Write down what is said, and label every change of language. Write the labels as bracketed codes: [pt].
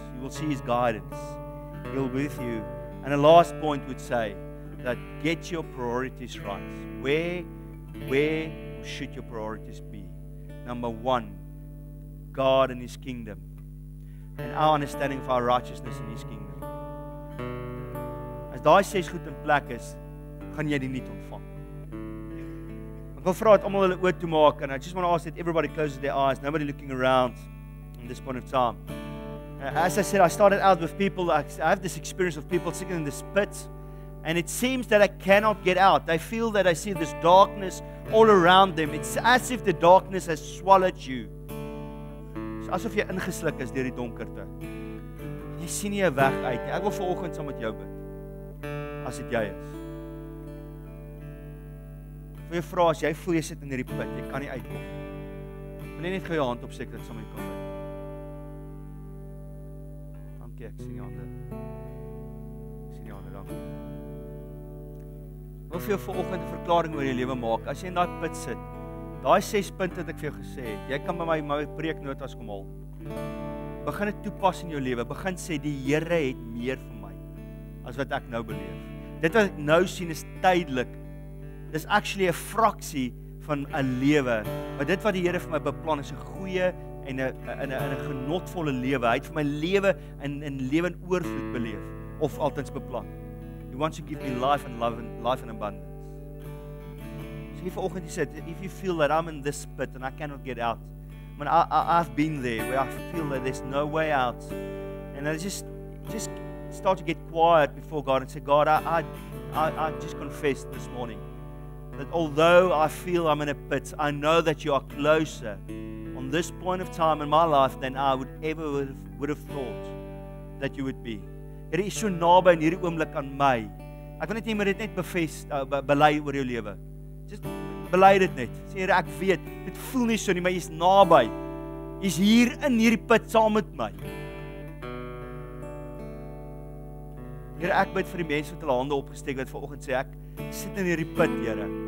[en] You will see His guidance. He'll be with you. And the last point would say that get your priorities right. Where should your priorities be? Number 1, God and His kingdom, and our understanding of our righteousness in His kingdom. [af] As daai ses goed in plek is, gaan jy dit nie ontvang. Ek wil vra dat almal hulle oë toemaak, [en] and I just want to ask that everybody closes their eyes, nobody looking around in this point of time. As I said, I started out with people, I have this experience of people sitting in this pit, and it seems that I cannot get out. I feel that I see this darkness all around them. It's as if the darkness has swallowed you. [af] Asof jy ingesluk is deur die donkerte. jy sien nie 'n weg uit nie. Ek wil vanoggend saam met jou bid. As dit jy is. Vir jou vra as jy voel jy sit in hierdie put, jy kan nie uitkom. Wil jy net gou jou hand opsteek dat ek saam met jou kan bid? Dankie, ek sien jou hande. Ek sien jou hande, dankie. Ek wil vir jou vanoggend 'n verklaring oor jou lewe maak. As jy in daai put sit, daai 6 punte wat ek vir jou gesê het, jy kan by my preeknotas kom haal. Begin dit toepas in jou lewe. Begin sê die Here het meer vir my as wat ek nou beleef. Dit wat ek nou sien is tydelik. Dis actually 'n fraksie van 'n lewe. Maar dit wat die Here vir my beplan is 'n goeie en 'n genotvolle lewe. Hy het vir my lewe in lewe in oorvloed beleef of altyds beplan. [en] He wants to give me life and love and life in abundance. [af] Hier vanoggend jy sê, [en] if you feel that I'm in this pit and I cannot get out, man, I've been there where I feel that there's no way out, and I just start to get quiet before God and say, God, I just confess this morning that although I feel I'm in a pit, I know that you are closer on this point of time in my life than I would ever would have thought that you would be. [af] Here is so naby in hierdie oomblik aan my. Ek wil net jy moet dit net bely oor jou lewe. Just bely dit net. Sê Here, ek weet, dit voel nie so nie, maar jy's naby. Jy's hier in hierdie put saam met my. Here, ek bid vir die mense wat hulle hande opgesteek het vanoggend sê ek sit in hierdie put, Here.